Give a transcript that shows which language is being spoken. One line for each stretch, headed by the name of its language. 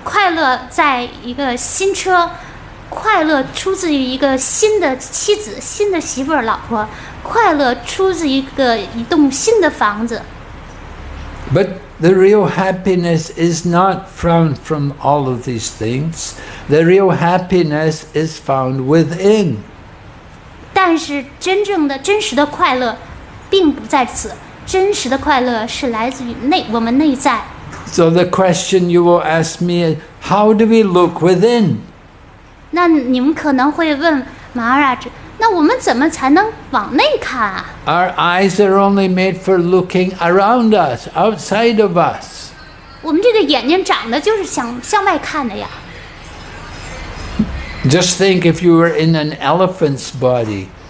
Chinese: 但是我们却从外在寻找快乐。我们想，快乐在一个新车。快乐出自于一个新的妻子、新的媳妇儿、老婆，快乐出自于一栋新的房子。
English: But the real happiness is not found from all of these things. The real happiness is found within.
Chinese: 但是真正的、真实的快乐并不在此，真实的快乐是来自于我们内在。
English: So the question you will ask me is, how do we look within?
Chinese: 那你们可能会问马尔拉，那我们怎么才能往内看啊？
English: Our eyes are only made for looking around us, outside of us.
Chinese: 我们这个眼睛长的就是向外看的呀。
English: Just think if you were in an elephant's body.